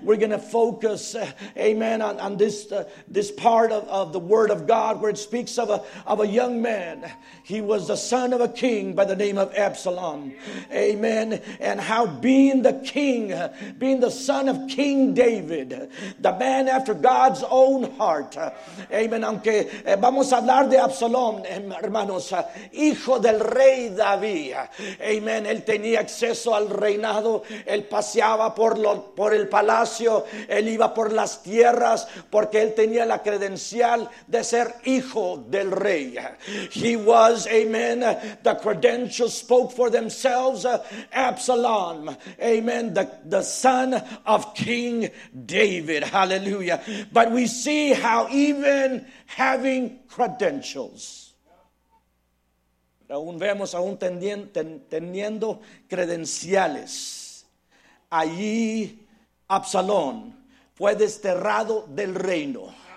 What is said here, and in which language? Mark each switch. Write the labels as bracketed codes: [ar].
[en] We're going to focus, amen, on this this part of the Word of God where it speaks of a young man. He was the son of a king by the name of Absalom. Amen. And how being the king, being the son of King David, the man after God's own heart. Amen. [es] Aunque vamos a hablar de Absalom, hermanos, hijo del rey David. Amen. Él tenía acceso al reinado. Él paseaba por el palacio. Él iba por las tierras porque él tenía la credencial de ser hijo del rey. [en] He was, amen, the credentials spoke for themselves. Absalom, amen, the son of King David, hallelujah. But we see how even having credentials, [es] aún vemos aún teniendo credenciales, allí Absalom fue desterrado del reino.